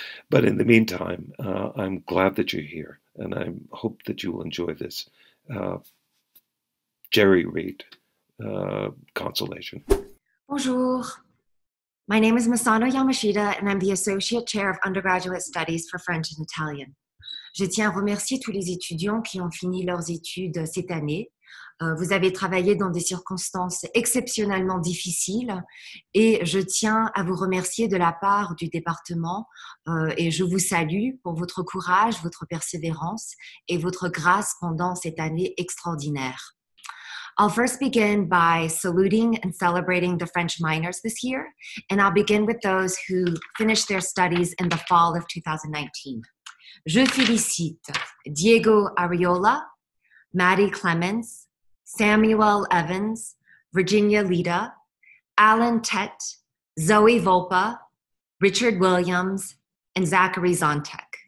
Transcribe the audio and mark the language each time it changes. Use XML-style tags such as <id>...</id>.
<en>But in the meantime, I'm glad that you're here, and I hope that you will enjoy this jerry-rigged consolation.</en> <fr>Bonjour.</fr> <en>My name is Masano Yamashita, and I'm the Associate Chair of Undergraduate Studies for French and Italian.</en> <fr>Je tiens à remercier tous les étudiants qui ont fini leurs études cette année. Vous avez travaillé dans des circonstances exceptionnellement difficiles et je tiens à vous remercier de la part du département et je vous salue pour votre courage, votre persévérance et votre grâce pendant cette année extraordinaire.</fr> <en>I'll first begin by saluting and celebrating the French minors this year, and I'll begin with those who finished their studies in the fall of 2019.</en> <fr>Je félicite Diego Ariola, Maddie Clements, Samuel Evans, Virginia Lita, Alan Tett, Zoe Volpa, Richard Williams, and Zachary Zontek.</fr>